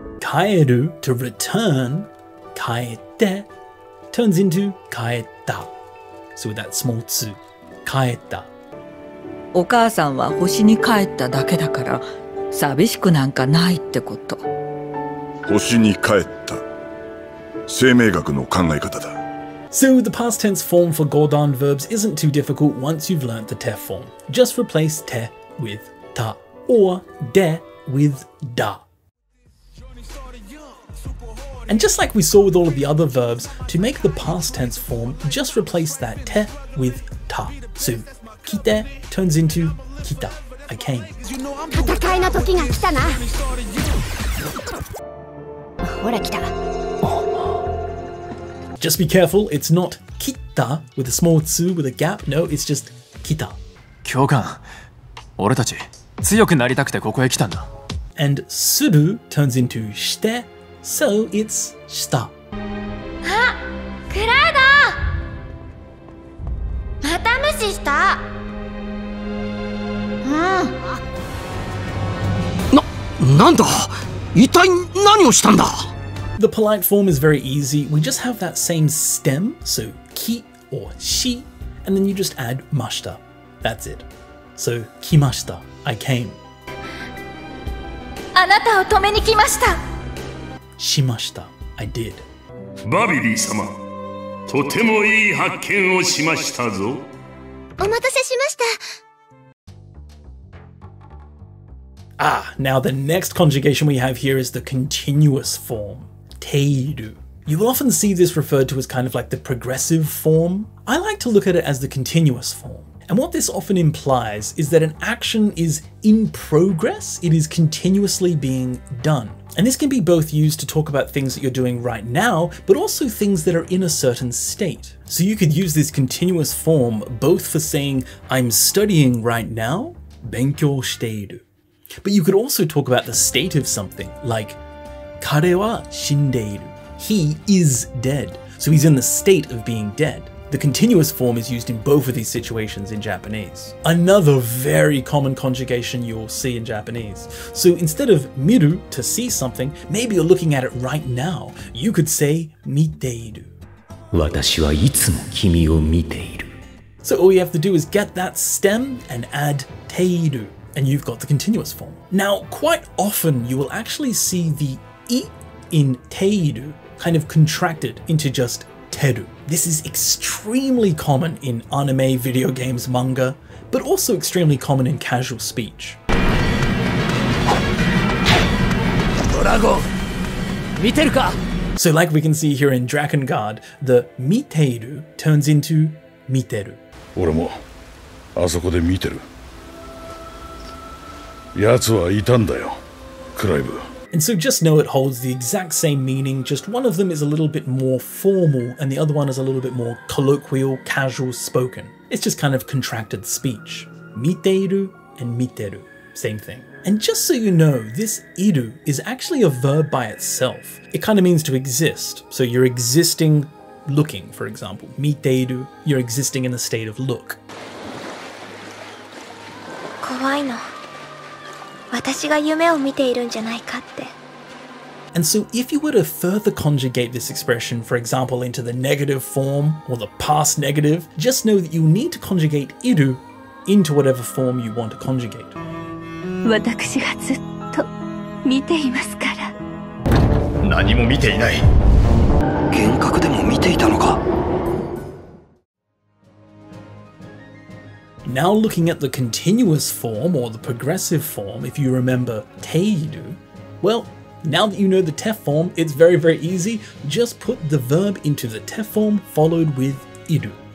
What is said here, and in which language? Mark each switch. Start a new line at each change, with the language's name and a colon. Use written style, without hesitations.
English: 帰る、to return, kaette turns into kaetta. So with that small tsu, kaetta.
Japanese: お母さんは星に帰っただけだから寂しくなんかないってこと。星に帰った。生命学の考え方だ。
English: So the past tense form for Godan verbs isn't too difficult once you've learnt the te form. Just replace te with ta or de with da. And just like we saw with all of the other verbs, to make the past tense form, just replace that te with ta. So 来て turns into 来た I came.
Japanese: 戦いの時が来たな。ほら来た。
English: Just be careful, it's not 来た with a small tsu with a gap. No, it's just 来た。
Japanese: 教官、俺たち強くなりたくてここへ来たんだ。
English: And する turns into して、so it's した。
Japanese: あ、クラウド。また無視した。なんだ?一体何をしたんだ?
English: The polite form is very easy. We just have that same stem, so ki or shi, and then you just add mashita. That's it. So, kimashita, I came.
Japanese: あなたを止めに来ました。
English: しました。I did.
Japanese: バビリー様、とてもいい発見をしましたぞ。お待たせしました。
English: Ah, now the next conjugation we have here is the continuous form, teiru. You will often see this referred to as kind of like the progressive form. I like to look at it as the continuous form. And what this often implies is that an action is in progress, it is continuously being done. And this can be both used to talk about things that you're doing right now, but also things that are in a certain state. So you could use this continuous form both for saying, I'm studying right now,
Japanese: 勉強している.
English: But you could also talk about the state of something, like
Japanese: 彼は死んでいる.
English: He is dead, so he's in the state of being dead. The continuous form is used in both of these situations in Japanese. Another very common conjugation you'll see in Japanese. So instead of 見る, to see something, maybe you're looking at it right now. You could say 見ている.
Japanese: 私はいつも君を見ている.
English: So all you have to do is get that stem and add ている. And you've got the continuous form. Now, quite often you will actually see the I in teiru kind of contracted into just teru. This is extremely common in anime, video games, manga, but also extremely common in casual speech.
Japanese: Dragon! 見てるか?
English: So like we can see here in Dragon Guard, the 見ている turns into 見てる.
Japanese: 俺もあそこで見てる。やつはいたんだよ、クライブ。
English: And so just know it holds the exact same meaning, just one of them is a little bit more formal and the other one is a little bit more colloquial, casual spoken. It's just kind of contracted speech. 見ている and 見てる, same thing. And just so you know, this iru is actually a verb by itself. It kind of means to exist. So you're existing looking, for example. 見ている, you're existing in a state of look.
Japanese: 怖いな。私が夢を見ているんじゃないかって。
English: And so if you were to further conjugate this expression, for example, into the negative form or the past negative, just know that you need to conjugate iru into whatever form you want to conjugate.
Japanese: 私がずっと見ていますから。何も見ていない。幻覚でも見ていたのか?
English: Now looking at the continuous form, or the progressive form, if you remember teiru, well, now that you know the te form, it's very, very easy. Just put the verb into the te form followed with iru.